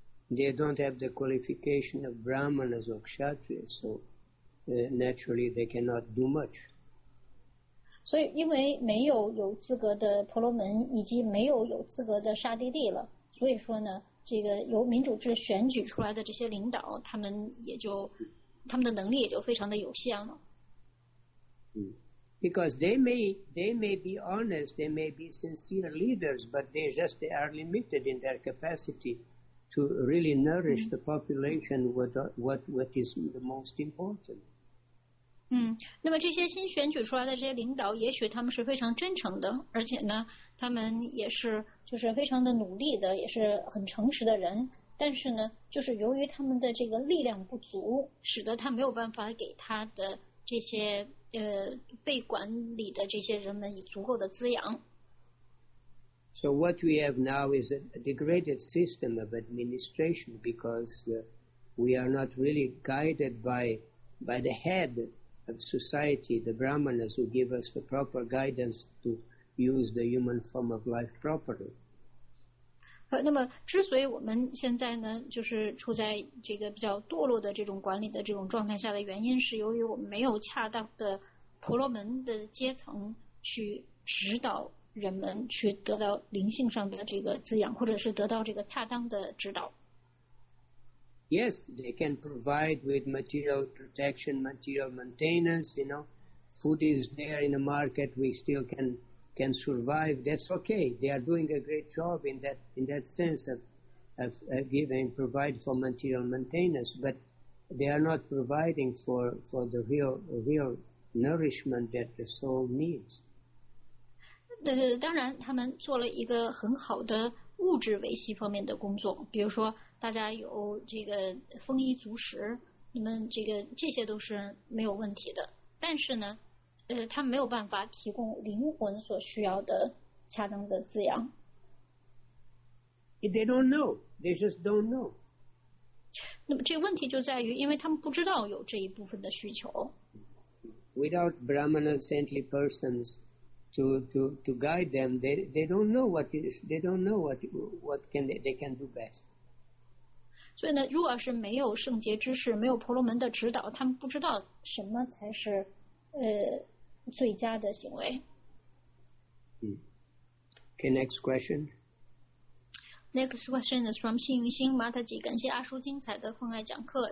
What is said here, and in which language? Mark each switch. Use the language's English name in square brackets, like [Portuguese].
[English] They don't have the qualification of brahmanas or kshatriyas, so naturally they cannot do much. So, because [Chinese] 没有有资格的婆罗门以及没有有资格的刹帝利了，所以说呢，这个由民主制选举出来的这些领导，他们的能力也就非常的有限了。 [English] Because they may be honest, they may be sincere leaders, but they are limited in their capacity. To really nourish the population, what is the most important? [Chinese] 那么这些新选举出来的这些领导，也许他们是非常真诚的，而且呢，他们也是就是非常的努力的，也是很诚实的人。但是呢，就是由于他们的这个力量不足，使得他没有办法给他的这些被管理的这些人们以足够的滋养。 [English] So what we have now is a degraded system of administration because we are not really guided by the head society, the Brahmanas who give us the proper guidance to use the human form of life properly. [Chinese] 那么之所以我们现在呢就是处在这个比较堕落的这种管理的这种状态下的原因是由于我们没有恰当的婆罗门的阶层去指导人们去得到灵性上的这个滋养或者是得到这个恰当的指导。 [English] Yes, they can provide with material protection, material maintenance, you know, food is there in the market, we still can survive, that's okay. They are doing a great job in that sense of giving, provide for material maintenance, but they are not providing for the real nourishment that the soul needs. [Chinese] 当然他们做了一个很好的物质维系方面的工作，比如说大家有这个丰衣足食，你们这些都是没有问题的，但是呢他没有办法提供灵魂所需要的恰当的滋养。 [English] They don't know. They just don't know. [Chinese] 那么这个问题就在于，因为他们不知道有这一部分的需求。 [English] Without Brahmana saintly persons to guide them, they don't know what is. They don't know what can they can do best. [Chinese] 所以呢，如果是没有圣洁知识，没有婆罗门的指导，他们不知道什么才是最佳的行为。 [English] Okay, next question. Next question is from 幸运星 Mataji. [Chinese] 感谢阿叔精彩的奉爱讲课。